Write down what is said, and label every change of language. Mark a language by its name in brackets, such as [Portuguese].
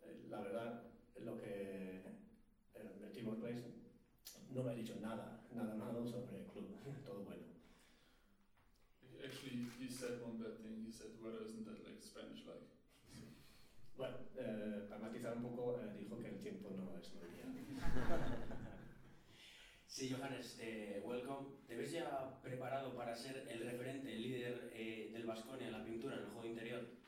[Spanish] La verdad, lo que Thibaut Pleiss no me ha dicho nada malo sobre el club, todo bueno. [English] Actually, he said one bad thing. He said, "Well, isn't that like Spanish like?" [Spanish] Bueno, para matizar un poco, dijo que el tiempo no es muy bien. Sí, Johannes, [English] welcome. [Spanish] ¿Te ves ya preparado para ser el referente, el líder del Baskonia en la pintura, en el juego interior?